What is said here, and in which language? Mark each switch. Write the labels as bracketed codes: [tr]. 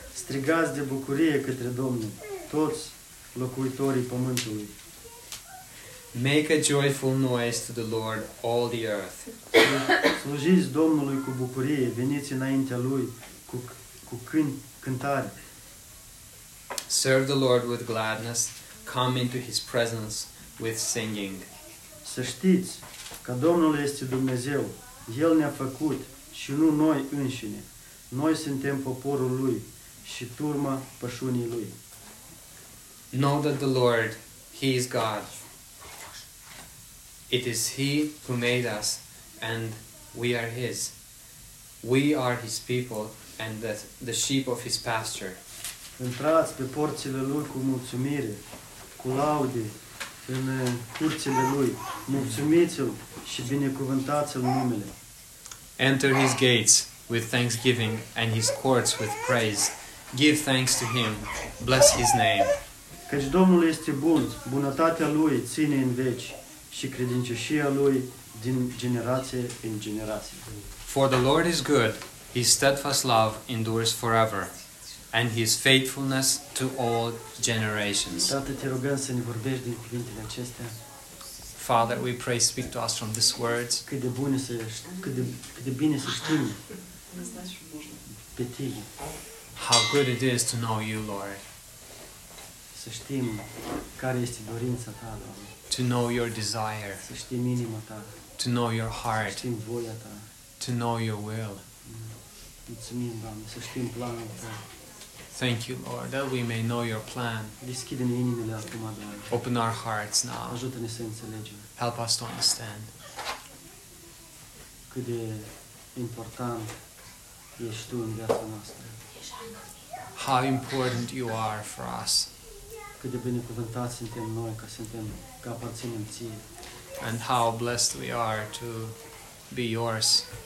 [ro] Strigați de bucurie către Domnul, toți locuitorii pământului. [en] Make a joyful noise to the Lord, all the earth. [ro] Slujiți Domnului cu bucurie, veniți înaintea Lui cu cântare. [en] Serve the Lord with gladness, come into His presence with singing. [ro] Să știți că Domnul este Dumnezeu, El ne-a făcut și nu noi înșine. Noi suntem poporul Lui și turma pășunii Lui. [en] Know that the Lord, He is God. It is He who made us, and we are His. We are His people, and the sheep of His pasture. [ro] Intrați pe porțile Lui cu mulțumire, cu laude în curțile Lui. Mulțumiți-L și binecuvântați-L numele. [en] Enter His gates with thanksgiving and His courts with praise. Give thanks to Him. Bless His name. [ro] Căci Domnul este bun, bunătatea Lui ține în veci și credincioșia Lui din generație în generație. [en] For the Lord is good, His steadfast love endures forever, and His faithfulness to all generations. [ro] Tată, te rugăm să ne vorbești din cuvintele acestea. [en] Father, we pray, speak to us from these words. [ro] Cât de bun este, cât de bine să știm pe Tine. [en] How good it is to know You, Lord. [ro] Să știm care este dorința Ta, Doamne. [en] To know Your desire. [ro] Să știm inima Ta. [en] To know Your heart. [ro] Să știm voia Ta. [en] To know Your will. [ro] Mulțumim, Doamne, să știm planul Ta. [en] Thank You, Lord, that we may know Your plan. [ro] Deschide-ne inimile acum, Doamne. [en] Open our hearts now. [ro] Ajută-ne să înțelegem. [en] Help us to understand. [ro] Cât de important ești Tu în viața noastră. [en] How important You are for us. [ro] Cât de binecuvântați suntem noi că suntem ca aparținem Ție. [en] And how blessed we are to be Yours.